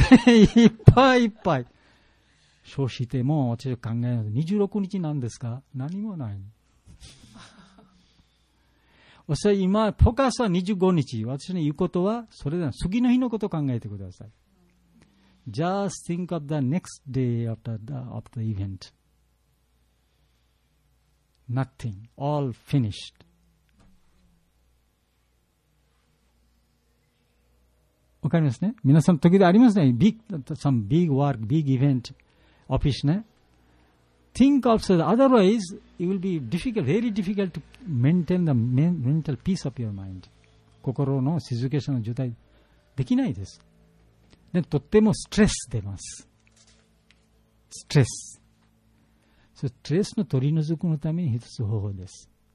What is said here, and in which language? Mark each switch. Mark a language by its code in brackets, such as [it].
[ja] いっぱいいっぱい。承知しても、私は考えます。 26日なんですか？何もない。私今、フォーカスは25日。私の言うことは、それでは、次の日のことを考えてください。 [en] Just think of the next day after the event. Nothing. All finished. [ja] わかりますね。皆さん時でありますね。 [en] Big, some big work, big event, office ね。Think of that. Otherwise, it will be difficult, very difficult to maintain the mental peace of your mind. [ja] 心の静けさの状態できないです。でとってもストレス出ます。ストレス。ストレスの取り除くのために一つ方法です。